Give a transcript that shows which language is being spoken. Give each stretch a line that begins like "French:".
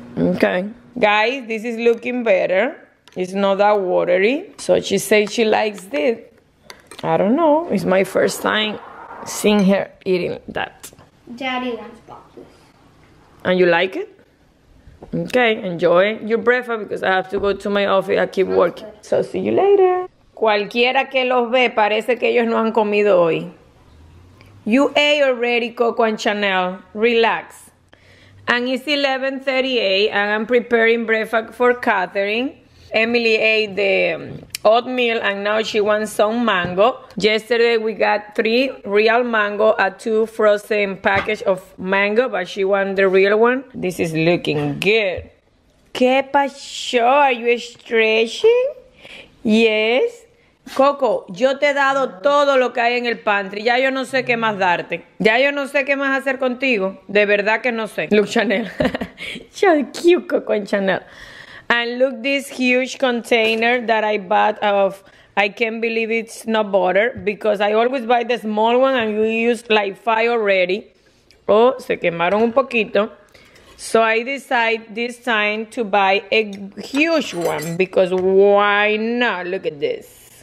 English: Okay. Guys, this is looking better. It's not that watery. So she says she likes this. I don't know. It's my first time seeing her eating that. Daddy wants boxes. And you like it? Okay, enjoy your breakfast because I have to go to my office. I keep working. So, see you later.
Spanish: Cualquiera que los ve, parece que ellos no han comido hoy.
English: You ate already, Coco and Chanel. Relax. And it's 11:38 and I'm preparing breakfast for Catherine. Emily ate the oatmeal and now she wants some mango. Yesterday we got 3 real mango, a 2 frozen package of mango, but she wants the real one. This is looking good.
Spanish: ¿Qué pasó?
English: Are you stretching? Yes.
Spanish: Coco, yo te he dado todo lo que hay en el pantry. Ya yo no sé qué más darte. Ya yo no sé qué más hacer contigo. De verdad que no sé.
English: Look, Chanel. So cute, Coco and Chanel. And look, this huge container that I bought of, I can't believe it's not butter because I always buy the small one and we use like 5 already. Oh,
Spanish: se quemaron un poquito.
English: So I decide this time to buy a huge one because why not? Look at this.